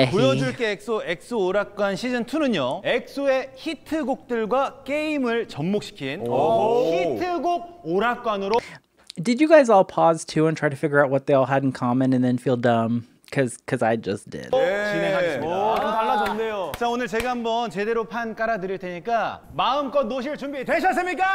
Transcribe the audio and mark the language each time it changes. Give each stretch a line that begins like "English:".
Korean: 보여줄게 엑소 엑소 오락관 시즌 2는요. 엑소의 히트곡들과 게임을 접목시킨 히트곡 오락관으로.
English: Did you guys all pause too and try to figure out what they all had in common and then feel dumb? Because I just did.
Korean: 진행하겠습니다. 달라졌네요. 자, 오늘 제가 한번 제대로 판 깔아드릴 테니까 마음껏 노실 준비 되셨습니까?